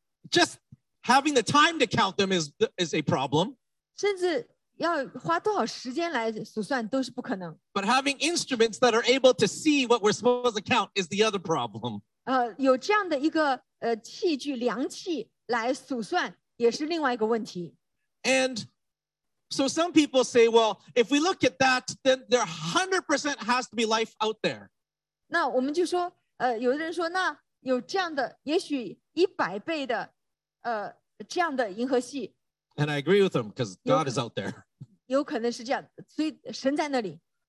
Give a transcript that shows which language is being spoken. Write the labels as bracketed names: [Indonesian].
[English] Just having the time to count them is a problem. [Chinese] 甚至要花多少时间来数算都是不可能。 [English] But having instruments that are able to see what we're supposed to count is the other problem. [Chinese] 有这样的一个器具量器来数算也是另外一个问题。 [English] And... So some people say, well, if we look at that, then there 100% has to be life out there. [Chinese] 那我们就说，有的人说，那有这样的，也许100倍的，这样的银河系。 [English] And I agree with them, because God is out there. [Chinese] 有可能是这样，所以神在那里。